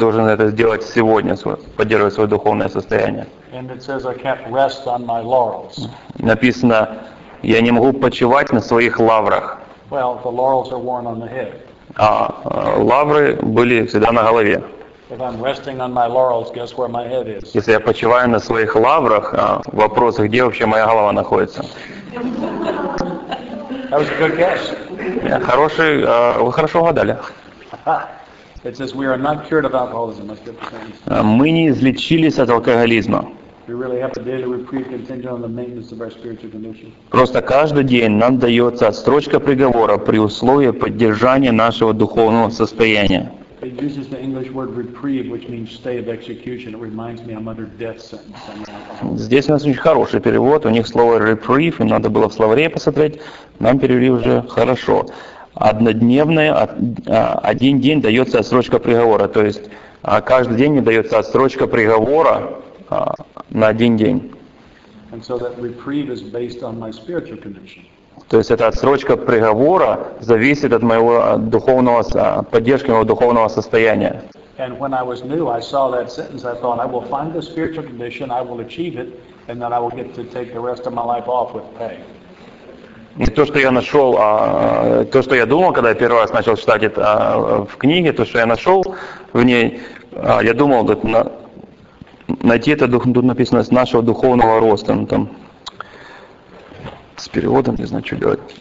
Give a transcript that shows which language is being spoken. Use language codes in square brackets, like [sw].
[ru] Я должен это сделать сегодня, поддерживать свое духовное состояние. [en] And it says I can't rest on my laurels. [ru] Написано, я не могу почивать на своих лаврах. [en] Well, the laurels are worn on the head. [ru] А лавры были всегда на голове. [en] If I'm resting on my laurels, guess where my head is? [ru] Если я почиваю на своих лаврах, вопрос, где вообще моя голова находится? [en] That was a good guess. [ru] Вы хорошо угадали. [en] It says we are not cured of alcoholism. [ru] Мы не излечились от алкоголизма. [en] We really have a daily reprieve contingent on the maintenance of our spiritual condition. [ru] Просто каждый день нам дается отсрочка приговора при условии поддержания нашего духовного состояния. [en] It uses the English word reprieve, which means stay of execution. It reminds me I'm under death sentence. [ru] Здесь у нас очень хороший перевод. У них слово reprieve, им надо было в словаре посмотреть. Нам перевели уже хорошо. Однодневное, один день дается отсрочка приговора. То есть каждый день мне дается отсрочка приговора на один день. [en] And so that reprieve is based on my spiritual condition. [ru] То есть эта отсрочка приговора зависит от моего духовного поддержки моего духовного состояния. [en] And when I was new, I saw that sentence. I thought, I will find the spiritual condition, I will achieve it, and then I will get to take the rest of my life off with pay. [ru] И то, что я нашел, то, что я думал, когда я первый раз начал читать это в книге, то, что я нашел в ней, я думал, найти это тут написано с нашего духовного роста, ну, там. С переводом, не знаю, что делать.